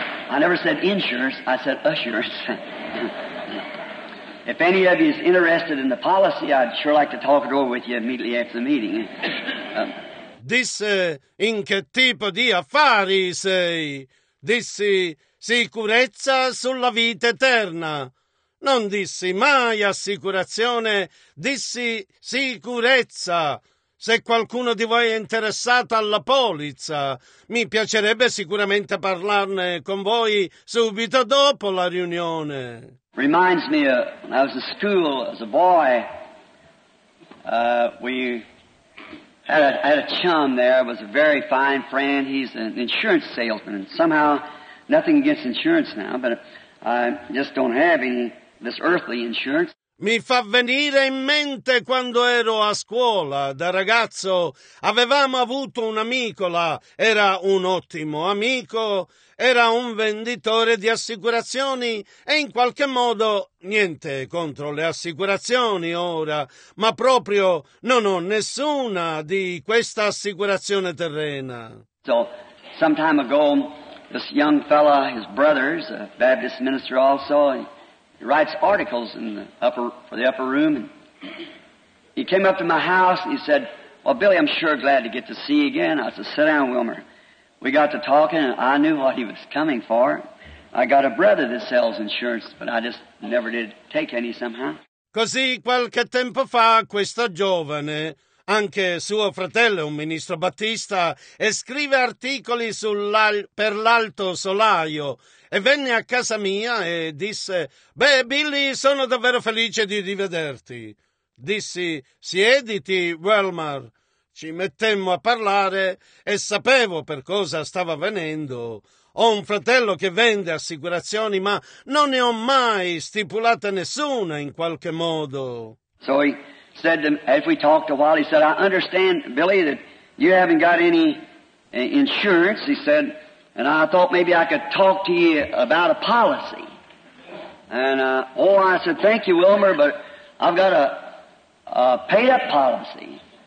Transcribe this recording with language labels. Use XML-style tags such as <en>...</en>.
<en>I never said insurance, I said assurance. If any of you is interested in the policy, I'd sure like to talk it over with you immediately after the meeting.</en> <it>Disse, in che tipo di affari sei? Dissi, sicurezza sulla vita eterna. Non dissi mai assicurazione, dissi sicurezza. Se qualcuno di voi è interessato alla polizza, mi piacerebbe sicuramente parlarne con voi subito dopo la riunione.</it> <en>Reminds me of when I was in school as a boy, I had a chum there, was a very fine friend. He's an insurance salesman, and somehow, nothing against insurance now, but I just don't have any this earthly insurance.</en> <it>Mi fa venire in mente quando ero a scuola, da ragazzo, avevamo avuto un amico là, era un ottimo amico, era un venditore di assicurazioni e in qualche modo, niente contro le assicurazioni ora, ma proprio non ho nessuna di questa assicurazione terrena.</it> <en>So, some time ago, this young fella, his brothers, a Baptist minister also, he writes articles for the upper room. And he came up to my house and he said, well, Billy, I'm sure glad to get to see you again. I said, sit down, Wilmer. We got to talking and I knew what he was coming for. I got a brother that sells insurance, but I just never did take any somehow.</en> <it>Così qualche tempo fa questo giovane Anche suo fratello, un ministro battista, e scrive articoli per l'Alto Solaio. E venne a casa mia e disse: «Beh, Billy, sono davvero felice di rivederti». Dissi: «Siediti, Wellmar». Ci mettemmo a parlare e sapevo per cosa stava venendo. Ho un fratello che vende assicurazioni, ma non ne ho mai stipulata nessuna in qualche modo.</it> <en>So he said to, as we talked a while, he said, I understand, Billy, that you haven't got any insurance, he said, and I thought maybe I could talk to you about a policy. And I said, thank you, Wilmer, but I've got a paid-up policy.</en>